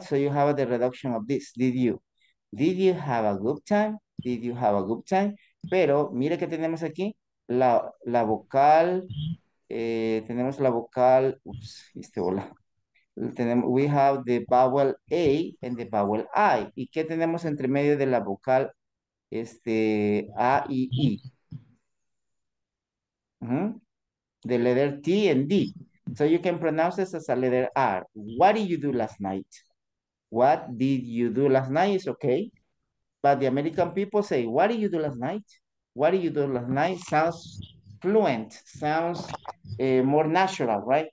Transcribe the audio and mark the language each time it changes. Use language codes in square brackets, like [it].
[en] So, you have the reduction of this, did you. Did you have a good time? Did you have a good time? [es] Pero mire que tenemos aquí la, vocal, tenemos la vocal, ups, este hola. Tenemos, [en] we have the vowel A and the vowel I. [es] ¿Y qué tenemos entre medio de la vocal este, A y I? [en] The letter T and D. So you can pronounce this as a letter R. What did you do last night? What did you do last night? It's okay. But the American people say, what did you do last night? What did you do last night? Sounds fluent, sounds more natural, right?